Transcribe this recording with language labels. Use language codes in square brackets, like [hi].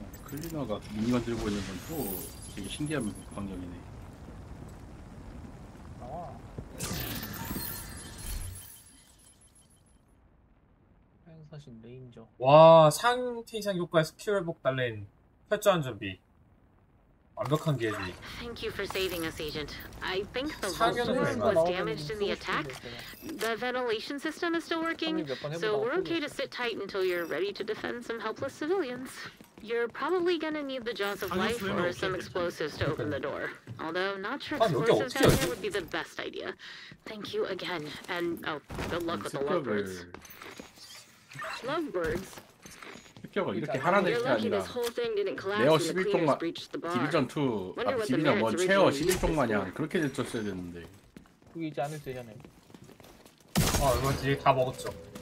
[ko] 클리너가 미니만 들고 있는 건 또 되게 신기한 광경이네. 사실 레인저. 와 상태 이상 효과 스킬 회복 달랜 혈전 준비. 완벽한 기회지. [en] Thank you for saving us, agent. I think the vault was damaged in the attack. The ventilation system is still working, so we're okay to sit tight until you're ready to defend some helpless civilians. You're probably gonna need the jaws of life or some explosives to open the door. Although not sure explosives down here would be the best idea. Thank you again, and oh, good luck with the lovebirds. Lovebirds. [ko] 이렇게 하라는 게 아니라 레어 11종마 디비전 2 아 디비전 1 체어 11종 마냥 그렇게 됐었어야 됐는데 그게 이제 안 해도 되잖아요. 아 이거 뒤에 다 먹었죠.